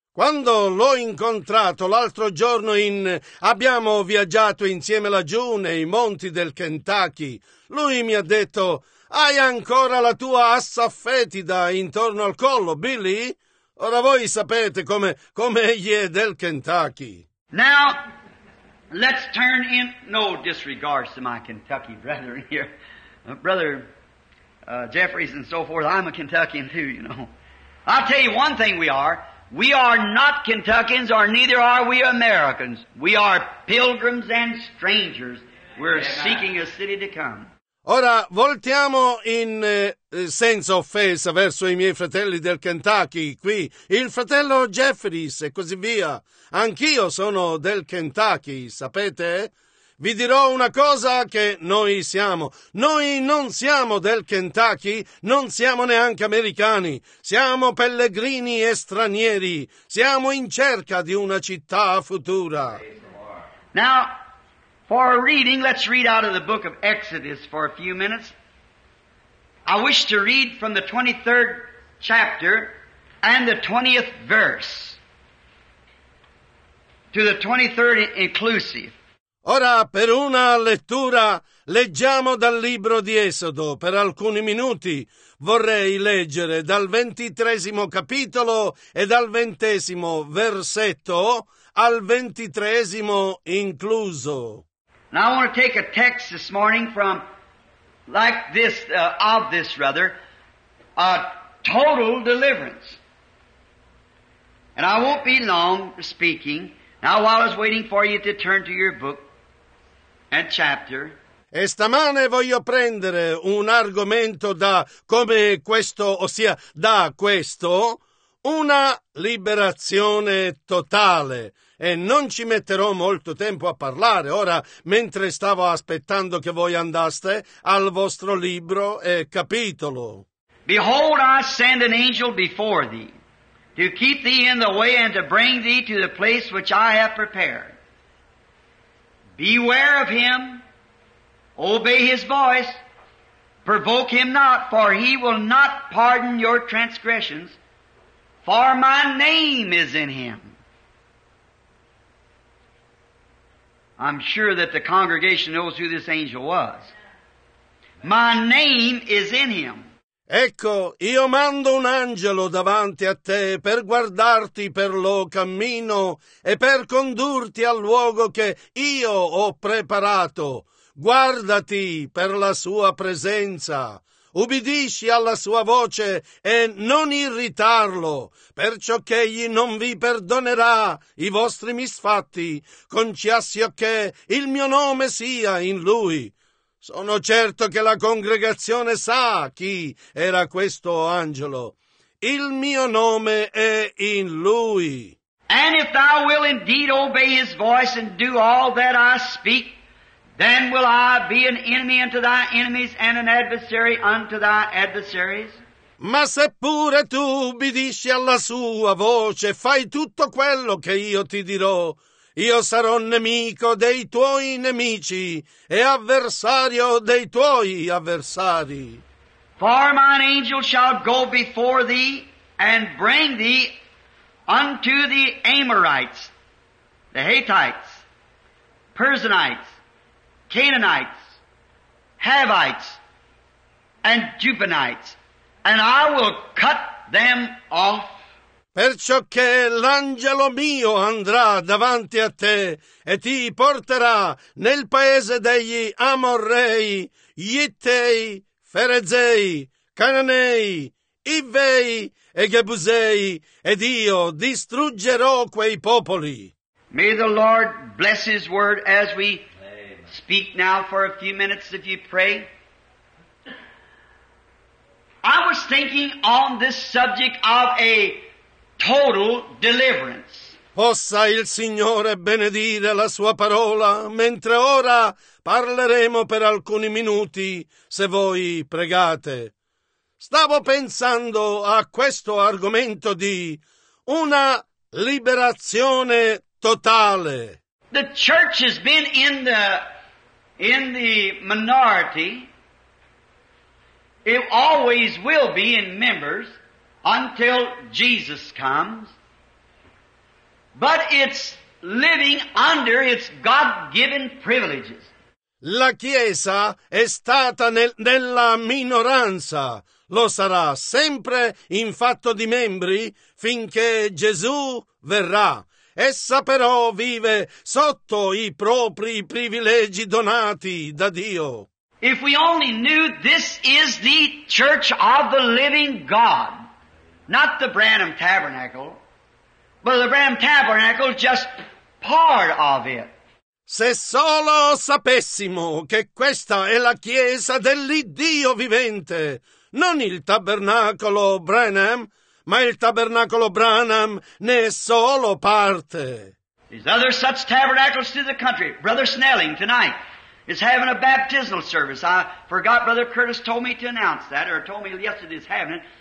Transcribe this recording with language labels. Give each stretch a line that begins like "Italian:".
Italian: Quando l'ho incontrato l'altro giorno abbiamo viaggiato insieme laggiù nei monti del Kentucky, lui mi ha detto, "Hai ancora la tua assa fetida intorno al collo, Billy?" Ora voi sapete come egli è del Kentucky.
English: Now, let's turn in, no disregards to my Kentucky brethren here, brother Jeffries and so forth. I'm a Kentuckian too, you know. I'll tell you one thing we are. We are not Kentuckians, or neither are we Americans. We are pilgrims and strangers. We're seeking a city to come.
Italian: Ora, voltiamo in senza offesa verso i miei fratelli del Kentucky, qui, il fratello Jeffries e così via. Anch'io sono del Kentucky, sapete? Vi dirò una cosa che noi siamo. Noi non siamo del Kentucky, non siamo neanche americani. Siamo pellegrini e stranieri. Siamo in cerca di una città futura.
English: Now, for a reading, let's read out of the book of Exodus for a few minutes. I wish to read from the 23rd chapter and the 20th verse to the 23rd inclusive.
Italian: Ora, per una lettura, leggiamo dal libro di Esodo, per alcuni minuti. Vorrei leggere dal 23° capitolo e dal 20° versetto al 23° incluso.
English: Now I want to take a text this morning from, like this, of this rather, a total deliverance. And I won't be long speaking. Now while I was waiting for you to turn to your book, and chapter.
Italian: E stamane voglio prendere un argomento da come questo, ossia da questo, una liberazione totale. E non ci metterò molto tempo a parlare. Ora, mentre stavo aspettando che voi andaste al vostro libro e capitolo.
English: Behold, I send an angel before thee, to keep thee in the way and to bring thee to the place which I have prepared. Beware of him, obey his voice, provoke him not, for he will not pardon your transgressions, for my name is in him. I'm sure that the congregation knows who this angel was. My name is in him.
Italian: Ecco, io mando un angelo davanti a te per guardarti per lo cammino e per condurti al luogo che io ho preparato. Guardati per la sua presenza, ubbidisci alla sua voce e non irritarlo, perciò che egli non vi perdonerà i vostri misfatti, concesso che il mio nome sia in lui. Sono certo che la congregazione sa chi era questo angelo. Il mio nome è in lui.
English: And if thou will indeed obey his voice and do all that I speak, then will I be an enemy unto thy enemies and an adversary unto thy adversaries.
Italian: Ma seppure tu ubbidisci alla sua voce, fai tutto quello che io ti dirò, io sarò nemico dei tuoi nemici e avversario dei tuoi avversari.
English: For mine angel shall go before thee and bring thee unto the Amorites, the Hittites, Perizzites, Canaanites, Hivites, and Jebusites, and I will cut them off.
Italian: Perciò che l'angelo mio andrà davanti a te e ti porterà nel paese degli Amorrei, Gittei, Ferezei, Cananei, Ivvei e Gebusei, ed io distruggerò quei popoli.
English: May the Lord bless his word as we speak now for a few minutes if you pray. I was thinking on this subject of a total deliverance.
Italian: Possa il Signore benedire la sua parola mentre ora parleremo per alcuni minuti se voi pregate. Stavo pensando a questo argomento di una liberazione totale.
English: The church has been in the minority. It always will be in members until Jesus comes, but it's living under its God-given privileges.
Italian: La Chiesa è stata nella minoranza, lo sarà sempre in fatto di membri finché Gesù verrà. Essa però vive sotto i propri privilegi donati da Dio.
English: If we only knew this is the Church of the Living God. Not the Branham Tabernacle, but the Branham Tabernacle just part of it.
Italian: Se solo sapessimo che questa è la Chiesa dell'Iddio vivente, non il Tabernacolo Branham, ma il Tabernacolo Branham ne è solo parte.
English: There's other such tabernacles through the country. Brother Snelling tonight is having a baptismal service. I forgot Brother Curtis told me to announce that, or told me yesterday he's having it.